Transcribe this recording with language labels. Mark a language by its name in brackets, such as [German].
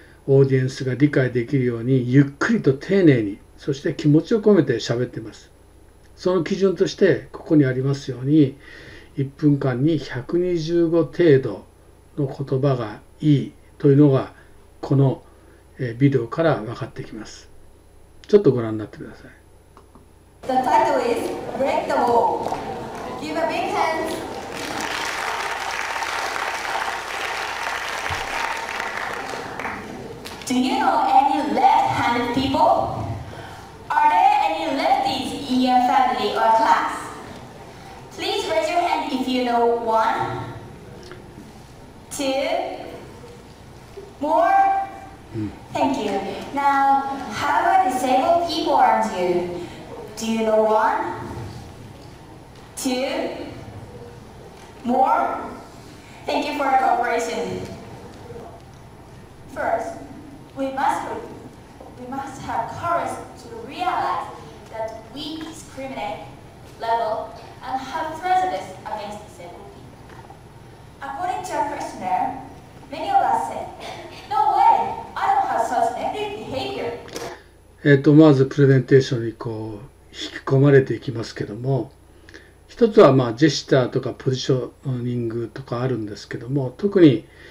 [Japanese] オーディエンスが理解できるようにゆっくりと丁寧に、そして気持ちを込めて喋っています。その基準としてここにありますように、1分間に125程度の言葉がいいというのがこのビデオから分かってきます。ちょっとご覧になってください。 [English] The title is Break the Wall. Give a big hand. Do you know any left-hand people? Are there any lefties in your family or class? Please raise your hand if you know one, two, more. Thank you. Now, how about disabled people around you? Do you know one, two, more? Thank you for your cooperation. First, we must have courage to realize that we discriminate level and have prejudice against disabled people. According to our questionnaire, many of us said, no way, I don't have such negative behavior. [Japanese] まずプレゼンテーションにこう引き込まれていきますけども、一つはまあジェスチャーとかポジショニングとかあるんですけども、特に